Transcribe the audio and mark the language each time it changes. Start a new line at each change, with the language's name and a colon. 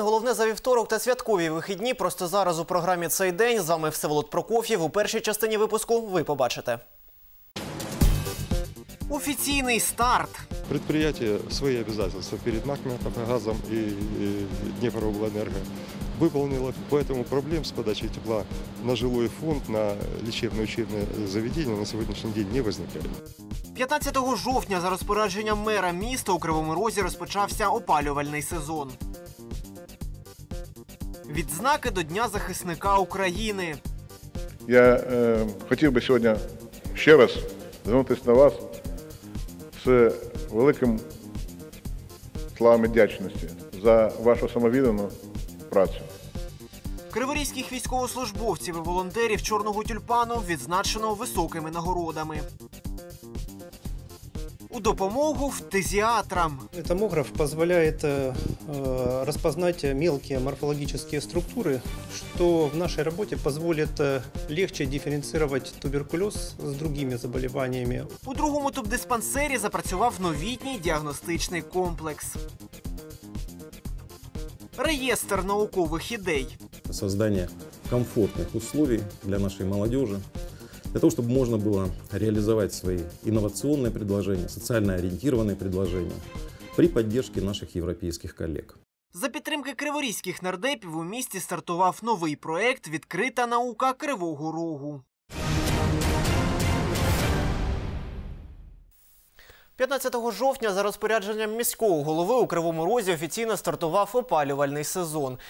Ukrainian: Головне за вівторок та святкові вихідні. Просто зараз у програмі «Цей день». З вами Всеволод Прокоф'єв. У першій частині випуску ви побачите. Офіційний старт.
Russian: Предприятие свои обязательства перед Нафтогазом и Днепроводэнерго выполнило, поэтому проблем с подачей тепла на жилой фонд, на лечебно-учебное заведение на сегодняшний день не возникает.
Ukrainian: 15 жовтня за розпорядженням мера міста у Кривому Розі розпочався опалювальний сезон. Відзнаки до Дня захисника України. Я хотів би сьогодні ще раз звернутися на вас з великим словами вдячності за вашу самовіддану працю. Криворізьких військовослужбовців і волонтерів «Чорного тюльпану» відзначено високими нагородами. У допомогу фтизіатрам. Томограф дозволяє розпізнати мілкі морфологічні структури, що в нашій роботі дозволить легше диференціювати туберкульоз з іншими захворюваннями. У другому тубдиспансері запрацював новітній діагностичний комплекс. Реєстр наукових ідей. Створення комфортних умов для нашої молоді.
Russian: Для того, чтобы можно было реализовать свои инновационные предложения, социально ориентированные предложения при поддержке наших европейских коллег.
Ukrainian: За підтримки криворізьких нардепів у місті стартував новий проект «Відкрита наука Кривого Рогу». 15 жовтня за розпорядженням міського голови у Кривому Розі офіційно стартував опалювальний сезон.